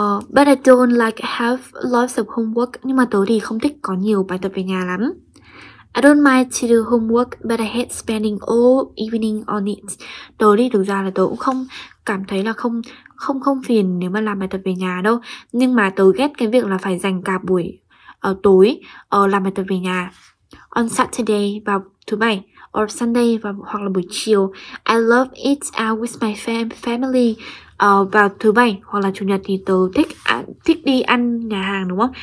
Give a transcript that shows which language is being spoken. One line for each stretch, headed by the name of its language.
English: But I don't like have lots of homework.
Vietnamese: Nhưng mà tớ thì không thích có nhiều bài tập về nhà lắm.
English: I don't mind to do homework, but I hate spending all evening on it.
Vietnamese: Tớ thì thực ra là tớ cũng không cảm thấy là không phiền nếu mà làm bài tập về nhà đâu. Nhưng mà tớ ghét cái việc là phải dành cả buổi tối làm bài tập về nhà.
English: On Saturday,
Vietnamese: vào thứ bảy,
English: or Sunday,
Vietnamese: hoặc là buổi chiều.
English: I love it out with my family.
Vietnamese: Vào thứ bảy hoặc là chủ nhật thì tớ thích đi ăn nhà hàng, đúng không?